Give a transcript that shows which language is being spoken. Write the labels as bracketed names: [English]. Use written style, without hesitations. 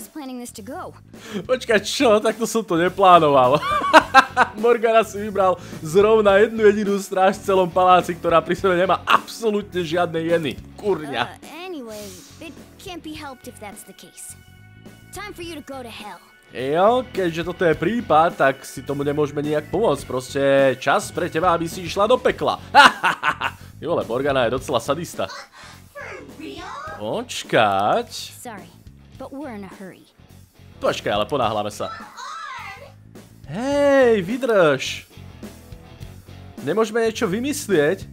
[Slovak] Počkaj, čo? Takto som to neplánoval. Morgana si vybral zrovna jednu jedinú stráž v celom paláci, ktorá pri sebe nemá absolútne žiadne jeny. Kurňa. [English] Can't be helped if that's the case. Time for you to go to hell. [Slovak] Jo, keďže toto je prípad, tak si tomu nemôžeme nijak pomôcť. Proste čas pre teba, aby si išla do pekla. Ha, ha, ha, ha. Jo, Morgana je docela sadista. Počkať. [English] Sorry, but we're in a hurry. [Slovak] Počkaj, ale ponáhľame sa. Hej, vydrž. Nemôžeme niečo vymyslieť?